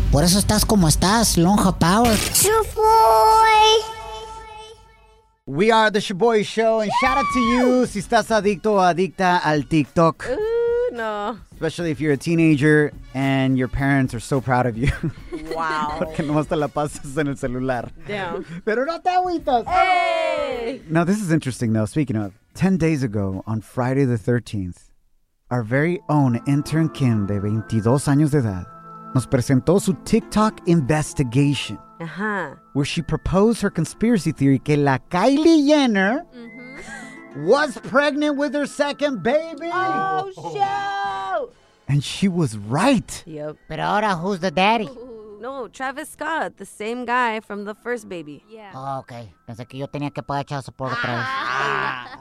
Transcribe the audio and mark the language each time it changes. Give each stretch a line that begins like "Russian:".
Spanish: Por eso estás como estás, lonja power. Shaboy.
English: We are the Shaboy Show, and shout out to you
Spanish: si estás adicto o adicta al TikTok.
English: Ooh, no. Especially if you're a teenager and your parents are so proud of you. Wow.
Spanish: Porque nomás te la pasas en el celular.
English: Damn.
Spanish: Pero no te agüitas.
English: Hey. Now, this is interesting, though. Speaking of, 10 days ago, on Friday the 13th, our very own intern Kim,
Spanish: de 22 años de edad, nos presentó su
English: TikTok investigation. Uh-huh. Where she proposed her conspiracy theory
Spanish: que la
English: Kylie Jenner was pregnant with her second baby. Oh, show! And she was right. Yep. But ahora, who's the daddy? No, Travis Scott, the same guy from the first baby. Yeah. Oh, okay.
Spanish: Pensé que yo tenía que pagar child support otra vez.